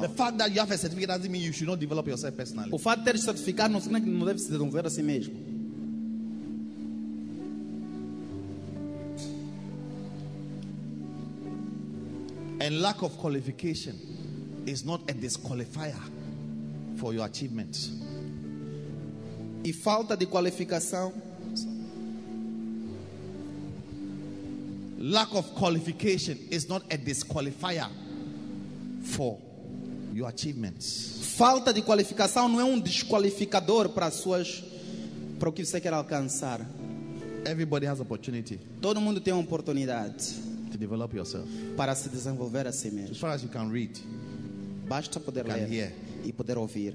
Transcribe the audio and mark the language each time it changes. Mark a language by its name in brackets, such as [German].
[English] The fact that you have a certificate doesn't mean you should not develop yourself personally. [Portuguese] O fato de ter certificado não significa que não deve se desenvolver a si mesmo. [English] And lack of qualification is not a disqualifier for your achievements. [Portuguese] E falta de qualificação [English] Lack of qualification is not a disqualifier for your achievements. [Portuguese] Falta de qualificação não é desqualificador para suas para o que você quer alcançar. [English] Everybody has opportunity. [Portuguese] Todo mundo tem uma oportunidade. [English] To develop yourself. [Portuguese] Para se desenvolver a si mesmo. [English] As far as you can read. [Portuguese] Basta poder [English] can [Portuguese] ler. [English] Hear. [Portuguese] e poder ouvir.